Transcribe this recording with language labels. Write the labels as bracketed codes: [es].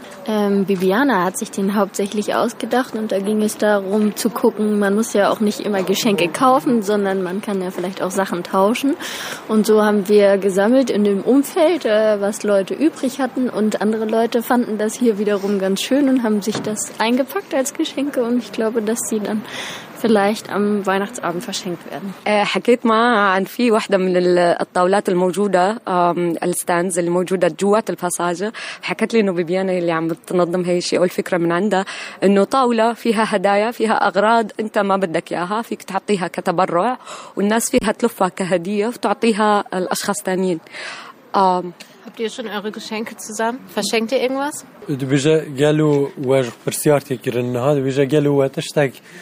[de] Bibiana hat sich den hauptsächlich ausgedacht und da ging es darum zu gucken, man muss ja auch nicht immer Geschenke kaufen, sondern man kann ja vielleicht auch Sachen tauschen. Und so haben wir gesammelt in dem Umfeld, was Leute übrig hatten und andere Leute fanden das hier wiederum ganz schön und haben sich das eingepackt als Geschenke und ich glaube, dass sie dann vielleicht am Weihnachtsabend verschenkt werden. [ar] حكيت مع عن في واحدة من الطاولات الموجودة الستانز اللي موجودة جوات الفاساجة حكت لي إنه بيبيانا اللي عم بتنظم هاي الشيء أو الفكرة من عندها إنه طاولة فيها هدايا فيها أغراض أنت ما بدك إياها فيك تعطيها كتبرع والناس فيها تلفها كهدية وتعطيها الأشخاص تانيين. [de] Habt ihr schon eure Geschenke zusammen? Verschenkt ihr irgendwas? Du bist ja gelu was passiert hier in der Hand. Du bist ja gelu was steckt